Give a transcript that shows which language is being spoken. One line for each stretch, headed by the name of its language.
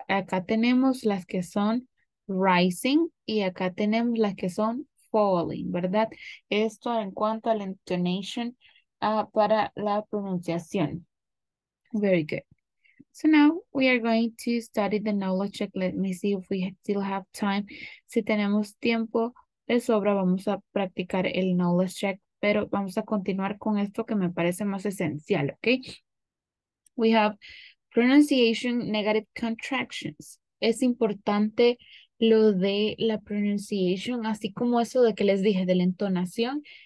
Spanish: Acá tenemos las que son rising y acá tenemos las que son falling, ¿verdad? Esto en cuanto a la intonation para la pronunciación.
English: Very good. So now we are going to study the knowledge check. Let me see if we still have time.
Spanish: Si tenemos tiempo de sobra, vamos a practicar el knowledge check, pero vamos a continuar con esto que me parece más esencial, ¿okay?
English: We have pronunciation, negative contractions.
Spanish: Es importante lo de la pronunciation, así como eso de que les dije de la entonación.